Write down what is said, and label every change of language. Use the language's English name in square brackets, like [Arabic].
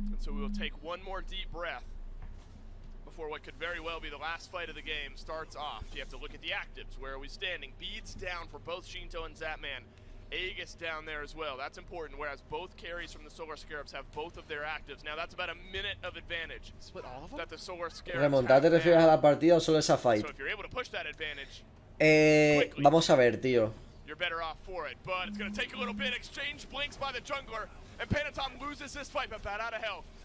[English] We'll take one more deep breath before what could very well be the last fight of the game starts off. You have to look at the actives. Where are we standing? Beads down for both Shinto and Zatman. Aegis down there as well. That's important. Whereas both carries from the Solar Scarabs have both of their actives. Now that's about a minute of advantage. Split all of them? That the Solar Scarabs. [Spanish] Remontar, ¿te refieres a la partida o solo esa fight? [English] So if you're able to push that advantage, [Spanish] quickly, vamos a ver, tío. [English] You're better off for it. But it's going to take a little bit. Exchange blinks by the jungler. And Panatom loses this fight, but bad out of health.